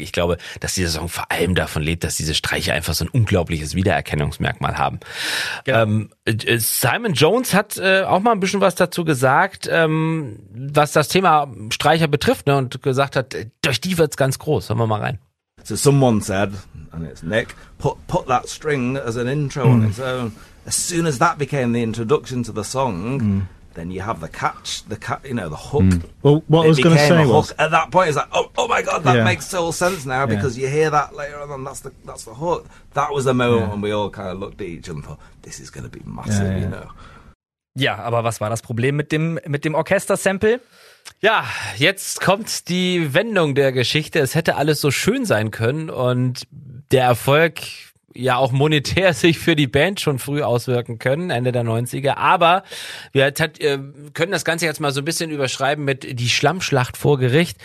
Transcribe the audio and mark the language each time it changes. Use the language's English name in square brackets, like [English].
[German] Ich glaube, dass dieser Song vor allem davon lebt, dass diese Streiche einfach so ein unglaubliches Wiedererkennungsmerkmal haben. Ja. Simon Jones hat auch mal ein bisschen was dazu gesagt, was das Thema Streicher betrifft, ne, und gesagt hat, durch die wird's ganz groß. Hören wir mal rein. [English] So someone said, and it's Nick, put that string as an intro on its own. As soon as that became the introduction to the song, then you have the hook. Well, what I was going to say was, at that point, it's like, oh my God, that makes total sense now, because you hear that later on, that's the hook. That was the moment when we all kind of looked at each other and thought, this is going to be massive, you know. [German] Ja, aber was war das Problem mit dem Orchester-Sample? Ja, jetzt kommt die Wendung der Geschichte. Es hätte alles so schön sein können und der Erfolg ja auch monetär sich für die Band schon früh auswirken können, Ende der 90er. Aber wir können das Ganze jetzt mal so ein bisschen überschreiben mit die Schlammschlacht vor Gericht.